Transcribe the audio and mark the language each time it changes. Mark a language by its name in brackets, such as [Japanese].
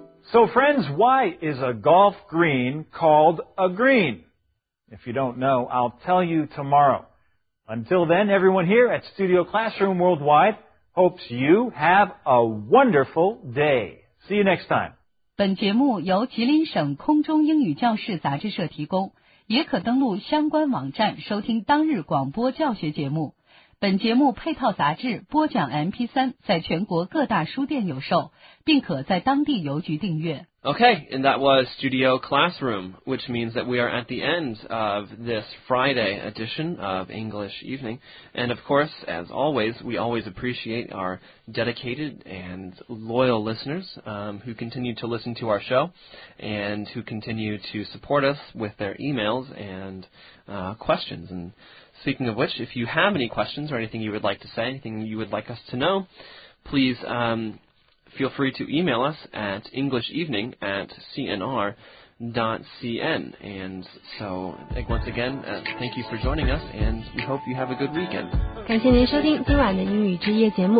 [English] So friends, why is a golf green called a green? If you don't know, I'll tell you tomorrow. Until then, everyone here at Studio Classroom Worldwide hopes you have a wonderful day. See you next time. [Chinese] 本节目由吉林省空中英语教室杂志社提供，也可登录相关网站收听当日广播教学节目。本节目配套杂志播讲 MP3 在全国各大书店有售，并可在当地邮局订阅。 [English] Okay, and that was Studio Classroom, which means that we are at the end of this Friday edition of English Evening. And of course, as always, we always appreciate our dedicated and loyal listeners who continue to listen to our show and who continue to support us with their emails and questions. And speaking of which, if you have any questions or anything you would like to say, anything you would like us to know, please feel free to email us at englishevening@cnr.cn. And so, once again, thank you for joining us, and we hope you have a good weekend. [Chinese] 感谢您收听今晚的英语之夜节目。